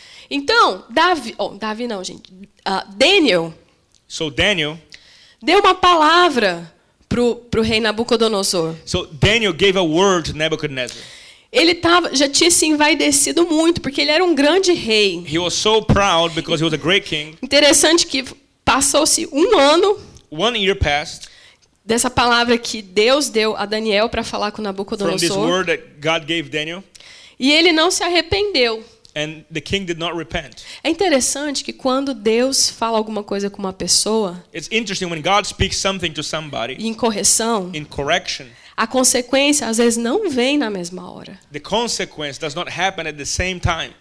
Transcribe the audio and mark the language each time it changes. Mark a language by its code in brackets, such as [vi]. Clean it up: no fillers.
[pt] Então, Davi, gente. Daniel. [en] So Daniel [pt] deu uma palavra pro rei Nabucodonosor. [en] So Daniel gave a word to Nebuchadnezzar. [pt] Ele já tinha se envaidecido muito, porque ele era um grande rei. [en] He was so proud because he was a great king. [pt] Interessante que passou-se um ano. [en] One year passed. [pt] Dessa palavra que Deus deu a Daniel para falar com Nabucodonosor. [en] From this word that God gave Daniel. [pt] E ele não se arrependeu. [en] And the king did not repent. [pt] É interessante que quando Deus fala alguma coisa com uma pessoa, [en] it's interesting when God speaks something to somebody, [pt] em correção, [en] in correction, [pt] a consequência às vezes não vem na mesma hora. [en] The consequence does not happen at the same time.